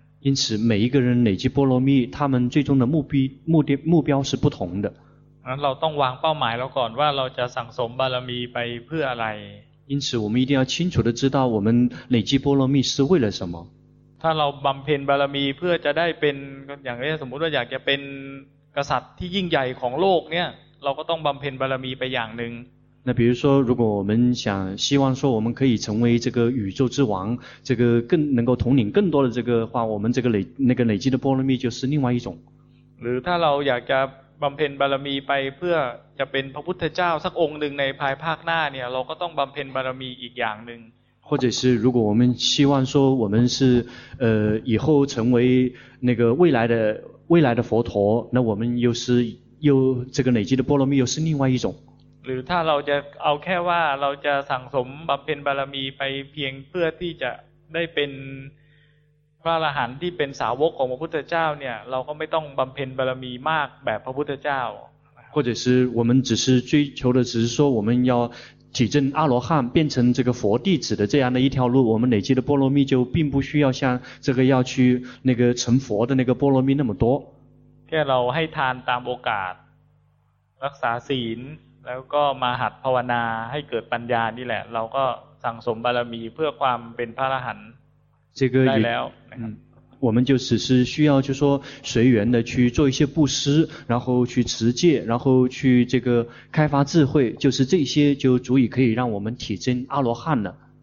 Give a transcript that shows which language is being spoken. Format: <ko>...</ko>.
<zh>因此每一个人累积波罗蜜他们最终的目标是不同的</zh> <th>งั้นเราต้องวางเป้าหมายแล้วก่อนว่าเราจะสั่งสมบารมีไปเพื่ออะไร</th> <zh>因此我们一定要清楚地知道我们累积波罗蜜是为了什么</zh> <th>ถ้าเราบำเพ็ญบารมีเพื่อจะได้เป็นอย่างเช่นสมมติว่าอยากจะเป็นกษัตริย์ที่ยิ่งใหญ่ของโลกเนี่ยเราก็ต้องบำเพ็ญบารมีไปอย่างนึง</th> <zh>那比如说如果我们想希望说我们可以成为这个宇宙之王这个更能够统领更多的这个话我们这个累积的波罗蜜就是另外一种</zh> <th>หรือถ้าเราอยากจะบำเพ็ญบารมีไปเพื่อจะเป็นพระพุทธเจ้าสักองค์หนึ่งในภายภาคหน้าเนี่ยเราก็ต้องบำเพ็ญบารมีอีกอย่างหนึ่ง</th> <zh>或者是如果我们希望说我们是以后成为那个未来的佛陀那我们又是又这个累积的波罗蜜又是另外一种</zh> <th>หรือถ้าเราจะเอาแค่ว่าเราจะสั่งสมบำเพ็ญบารมีไปเพียงเพื่อที่จะได้เป็นพระอรหันต์ที่เป็นสาวกของพระพุทธเจ้าเนี่ยเราก็ไม่ต้องบำเพ็ญบารมีมากแบบพระพุทธเจ้า</th> <zh>或者是我们只是追求的只是说我们要体证阿罗汉变成这个佛弟子的这样的一条路我们累积的波罗蜜就并不需要像这个要去那个成佛的那个波罗蜜那么多</zh> <th>แค่เราให้ทานตามโอกาสรักษาศีลแล้วก็มาหัดภาวนาให้เกิดปัญญานี่แหละเราก็สั่งสมบารมีเพื่อความเป็นพระอรหันต์</th> <zh>这个</zh> <th>ได้แล้ว</th> <zh>我们就只是需要就说随缘的去做一些布施然后去持戒然后去这个开发智慧就是这些就足以可以让我们体证阿罗汉了</zh>